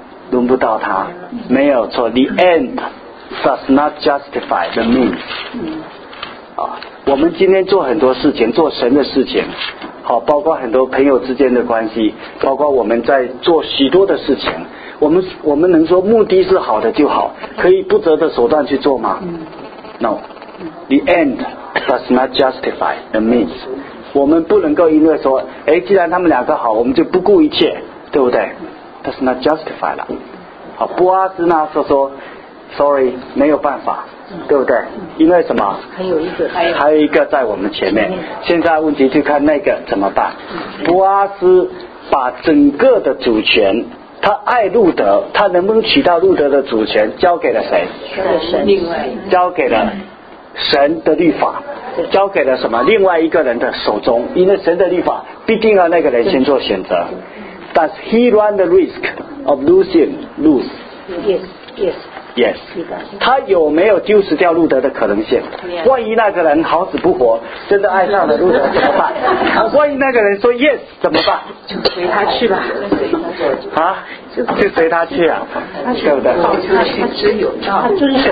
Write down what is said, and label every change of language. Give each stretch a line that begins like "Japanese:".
Chinese: 轮不到他，没有错。
English: The end does not justify the means。
Chinese: 啊，我们今天做很多事情，做神的事情，好，包括很多朋友之间的关系，包括我们在做许多的事情。我们能说目的是好的就好，可以不择的手段去做吗？
English: No, the end does not justify the means.
Chinese: 我们不能够因为说，哎，既然他们两个好，我们就不顾一切，对不对？
English: Does not justify
Chinese: 了。好，波阿斯呢说 ，Sorry, 没有办法，对不对？因为什么？还有一个在我们前面。现在问题就看那个怎么办。波阿斯把整个的主权。他爱路德，他能不能取到路德的主权交给了谁？交给了神的律法，交给了什么？另外一个人的手中，因为神的律法必定要那个人先做选择。
English: Does he run the risk of losing Ruth? Yes, yes, yes.
Chinese: 他有没有丢失掉路德的可能性？万一那个人好死不活，真的爱上了路德怎么办？万一那个人说 yes 怎么办？就随他去吧。啊，就随他去啊，对不对？